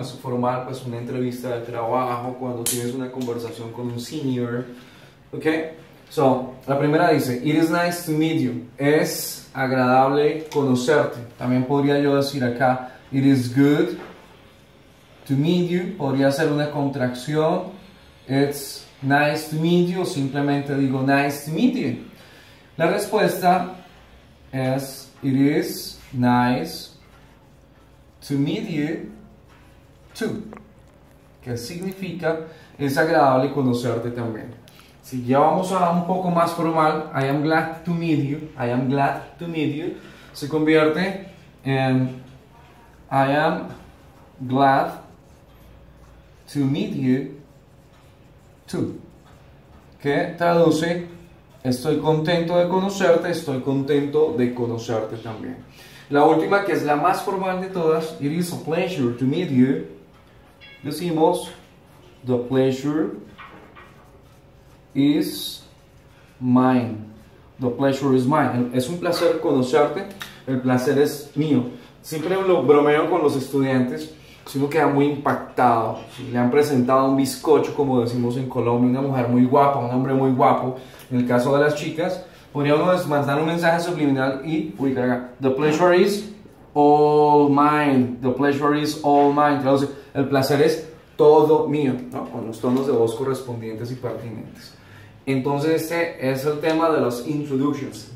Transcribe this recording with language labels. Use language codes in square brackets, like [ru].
[es] Es formal, pues, una entrevista de trabajo, cuando tienes una conversación con un senior. [en] Ok, so, [es] la primera dice, [en] it is nice to meet you. [es] Es agradable conocerte. También podría yo decir acá, [en] it is good to meet you. [es] Podría ser una contracción. [en] It's nice to meet you. [es] Simplemente digo, [en] nice to meet you. [es] La respuesta es, [en] it is nice to meet you too, [es] que significa, es agradable conocerte también. Si ya vamos a un poco más formal, [en] I am glad to meet you, I am glad to meet you, se convierte en I am glad to meet you too, [es] que traduce, estoy contento de conocerte, estoy contento de conocerte también. La última, que es la más formal de todas, [en] it is a pleasure to meet you. [es] Decimos, [en] the pleasure is mine. The pleasure is mine. [es] Es un placer conocerte, el placer es mío. Siempre lo bromeo con los estudiantes, si uno queda muy impactado, si le han presentado un bizcocho, como decimos en Colombia, una mujer muy guapa, un hombre muy guapo, en el caso de las chicas, podría uno mandar un mensaje subliminal y ubicar acá. [en] The pleasure is all mine. The pleasure is all mine. [es] Traduce, el placer es todo mío, ¿no? Con los tonos de voz correspondientes y pertinentes. Entonces, este es el tema de los introductions.